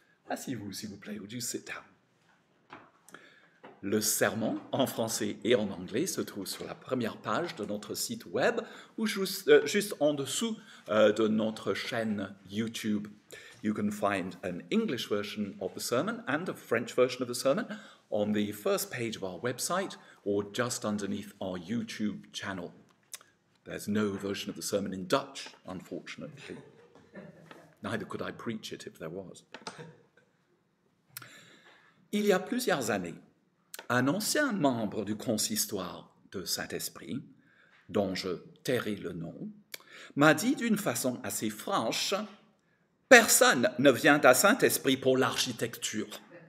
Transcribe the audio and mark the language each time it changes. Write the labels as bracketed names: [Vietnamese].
[French] Asseyez-vous, s'il vous plaît, ou du [English] sit down. [French] Le sermon, en français et en anglais, se trouve sur la première page de notre site web ou juste en dessous de notre chaîne YouTube. [English] You can find an English version of the sermon and a French version of the sermon on the first page of our website or just underneath our YouTube channel. There's no version of the sermon in Dutch, unfortunately. Neither could I preach it if there was. [French] Il y a plusieurs années, un ancien membre du consistoire de Saint-Esprit, dont je tairai le nom, m'a dit d'une façon assez franche « Personne ne vient à Saint-Esprit pour l'architecture ».